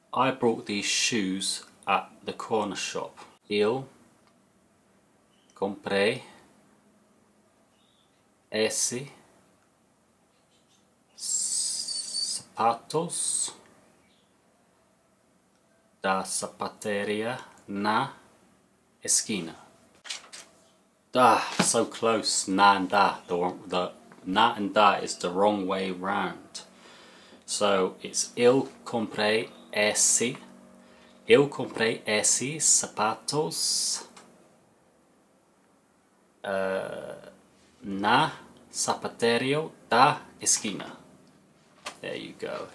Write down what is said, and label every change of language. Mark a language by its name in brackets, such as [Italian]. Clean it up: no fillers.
[English] I brought these shoes at the corner shop. [Portuguese] Eu comprei esse sapatos da sapateria na esquina. [English] Ah, so close. Na and da. The na and da is the wrong way round. So it's [Portuguese] Eu comprei esse sapatos na sapateria da esquina. [English] There you go.